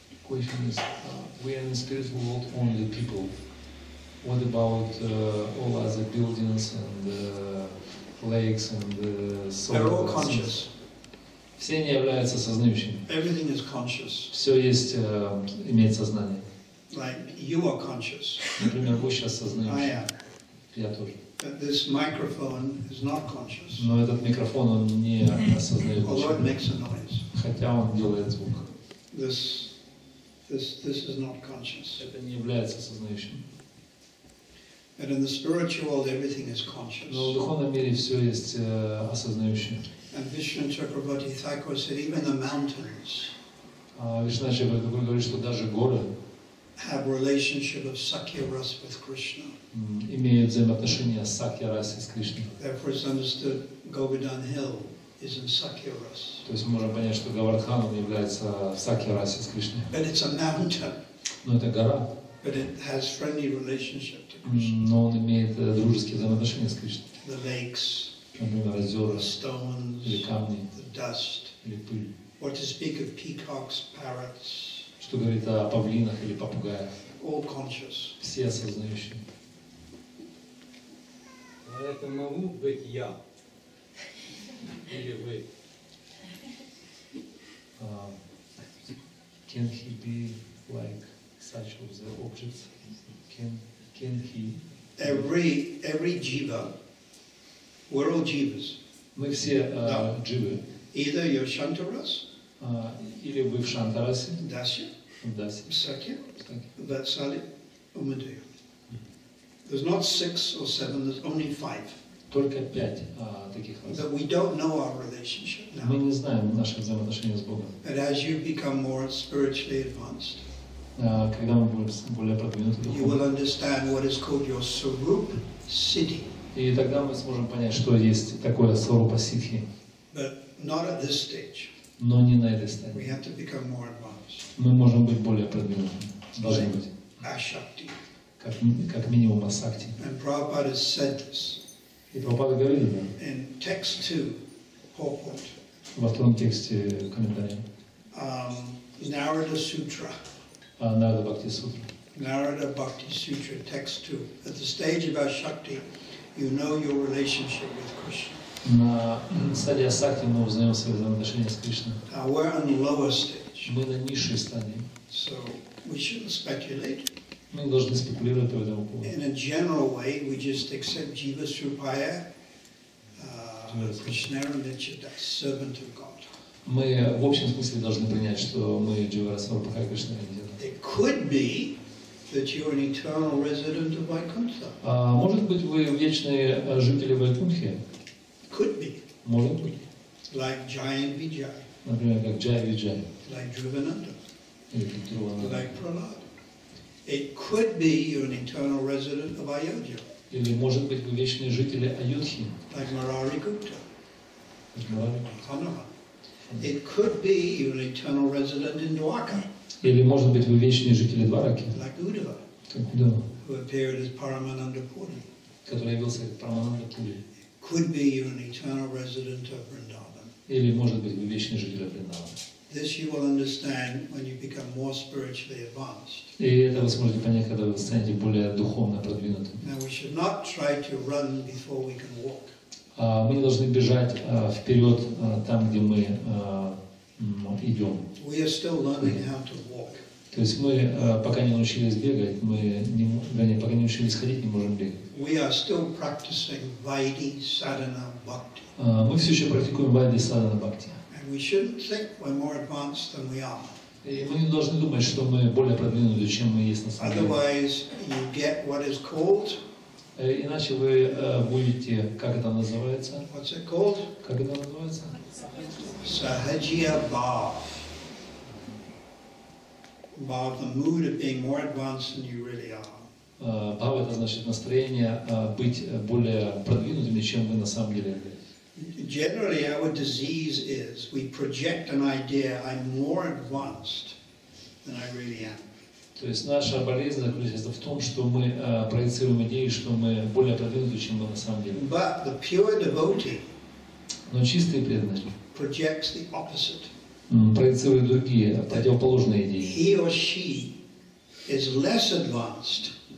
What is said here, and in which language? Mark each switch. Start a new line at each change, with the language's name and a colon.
English: question is, we are in the spiritual world only people. What about all other buildings and lakes and solar? They're all conscious.
Russian: Все они являются сознающими.
English: Everything is conscious.
Russian: Все есть, имеет сознание.
English: Like you are conscious.
Russian: Например, вы сейчас сознающий.
English: I am.
Russian: Я тоже.
English: But this microphone is not conscious.
Russian: Но этот микрофон, он не осознает.
English: Although it makes a noise.
Russian: Хотя он делает звук.
English: This is not conscious.
Russian: Это не является сознающим.
English: But in the spiritual, everything is conscious.
Russian: Но в духовном мире все есть осознающим.
English: And Vishnu Chakrabarti Thakur said, even the mountains.
Russian: Vishnu Chakrabarti говорит, что даже горы
English: have relationship of Sakya Rasa with Krishna.
Russian: Имеют взаимоотношения Сакья Раса с Кришной.
English: Therefore, it's understood Govardhan Hill is in Sakya Rasa.
Russian: То есть мы можем понять, что Говардхан является в Сакья Расе с Кришной.
English: But it's a mountain.
Russian: Но это гора.
English: But it has friendly relationship to Krishna.
Russian: Но он имеет дружеские взаимоотношения с Кришной.
English: The lakes.
Russian: Например, озера,
English: the stones,
Russian: или камни,
English: the dust,
Russian: или пыль.
English: Or to speak of peacocks, parrots.
Russian: Что говорит о павлинах или попугаях?
English: All conscious.
Russian: Все осознающие. А это могу быть я или вы?
English: Can he be like such of the objects? Can he? Every jiva. We're all jivas.
Russian: Мы все живы.
English: Either you're Shantaras.
Russian: Или вы в Шантарасе. Дасья. Дасья. Сакья. Ватсали. Умадея.
English: There's not six or seven, there's only five.
Russian: Только пять таких вас.
English: That we don't know our relationship now.
Russian: Мы не знаем наши взаимоотношения с Богом.
English: But as you become more spiritually advanced,
Russian: когда мы будем более продвинуты,
English: you will understand what is called your Swarup Siddhi.
Russian: И тогда мы сможем понять, что есть такое сварупа сиддхи.
English: But not at this stage.
Russian: Но не на этой стадии.
English: We have to become more advanced.
Russian: Мы можем быть более продвинутыми. Должны быть. Ашакти. Как минимум асакти.
English: And Prabhupada said this.
Russian: И Прабхупада говорил это.
English: In text 2, purport.
Russian: Во втором тексте комментария.
English: Narada Sutra. Narada Bhakti Sutra. Narada Bhakti Sutra, text 2. At the stage of Ashakti, you know your relationship with Krishna.
Russian: На стадии асакти мы узнаем свои взаимоотношения с Кришной.
English: Now we're on the lower stage.
Russian: Мы на низшей стадии.
English: So we shouldn't speculate.
Russian: Мы должны спекулировать по этому поводу.
English: In a general way, we just accept Jiva Srupaya, Krishnaranichita, servant of God.
Russian: Мы в общем смысле должны принять, что мы Jiva Srupaya Krishnaranichita.
English: It could be that you're an eternal resident of Vaikuntha.
Russian: Может быть, вы вечные жители Вайкунтхи?
English: Could be.
Russian: Может быть.
English: Like Jayan Vijay.
Russian: Например, как Jaya Vijay.
English: Like Dhruvananda.
Russian: Или Dhruvananda.
English: Like Prahlad. It could be you're an eternal resident of Ayodhya.
Russian: Или, может быть, вы вечные жители Аюдхи.
English: Like Murari Gupta. Murari. Kanaha. It could be you're an eternal resident in Dwarka.
Russian: Или, может быть, вы вечные жители Двараки?
English: Like Uddhava.
Russian: Как Uddhava.
English: Who appeared as Paramananda Puri.
Russian: Который явился как Парамананда Пури.
English: Could be you're an eternal resident of Vrindavan.
Russian: Или, может быть, вы вечные жители Вриндавана.
English: This you will understand when you become more spiritually advanced.
Russian: И это вы сможете понять, когда вы станете более духовно продвинутым.
English: Now we should not try to run before we can walk.
Russian: Мы не должны бежать вперед там, где мы идем.
English: We are still learning how to walk.
Russian: То есть мы пока не научились бегать, мы не, вернее, пока не научились ходить, не можем бегать.
English: We are still practicing Vaidhi Sadhana Bhakti.
Russian: Мы все еще практикуем Vaidhi Sadhana Bhakti.
English: And we shouldn't think we're more advanced than we are.
Russian: И мы не должны думать, что мы более продвинуты, чем мы есть на самом деле.
English: Otherwise, you get what is called.
Russian: Иначе вы будете, как это называется?
English: What's it called?
Russian: Как это называется?
English: Sahajiya Bhav. Bhav, the mood of being more advanced than you really are.
Russian: Bhav – это значит настроение быть более продвинутыми, чем вы на самом деле.
English: Generally, our disease is we project an idea I'm more advanced than I really am.
Russian: То есть наша болезнь заключается в том, что мы проецируем идеи, что мы более продвинуты, чем мы на самом деле.
English: But the pure devotee
Russian: Но чистый преданный
English: projects the opposite.
Russian: проецируют другие, противоположные идеи.
English: He or she is less advanced.